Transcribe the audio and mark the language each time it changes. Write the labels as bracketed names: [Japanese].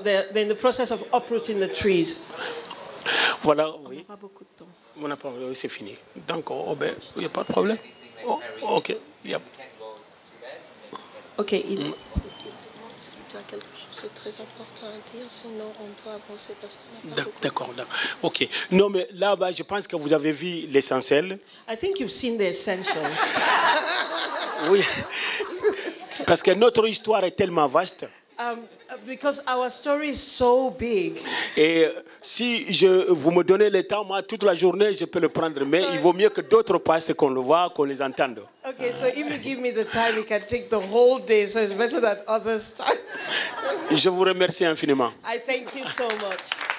[English] They're in the process of uprooting the trees. [French] Voilà, oui. On n'a pas beaucoup de temps. On n'a pas beaucoup de temps. C'est fini. Donc, oh, ben, il n'y a pas de problème. [English] Oh, ok. Yep. Ok. [French] Si tu as quelque chose de très important à dire, sinon on doit avancer parce qu'on n'a pas beaucoup de temps. D'accord. Ok. Non, mais là-bas, je pense que vous avez vu l'essentiel. [English] I think you've seen the essential. [French] Oui, parce que notre histoire est tellement vaste. [English] Because our story is so big. [French] Et si vous me donnez le temps, moi, toute la journée, je peux le prendre. Mais il vaut mieux que d'autres passent, qu'on le voit, qu'on les entende. [English] Okay, so if you give me the time, you can take the whole day. So it's better that others start. [French] Je vous remercie infiniment. [English] I thank you so much.